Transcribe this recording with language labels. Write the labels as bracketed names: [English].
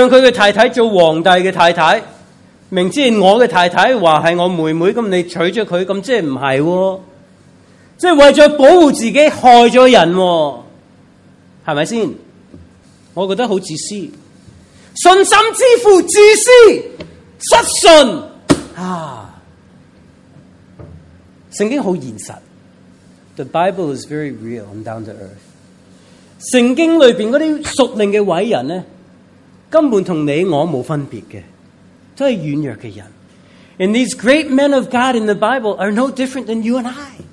[Chinese] 让他的太太做皇帝的太太，明知我的太太说是我妹妹，那你娶了她，那就是不是哦。即是为了保护自己害了人，是不是？我觉得很自私，信心之父自私失信啊。圣经很现实， [English] The Bible is very real and down to earth。 [Chinese] 圣经里面那些属灵的伟人呢，根本跟你我没分别的，都是软弱的人。 [English] And these great men of God in the Bible are no different than you and I。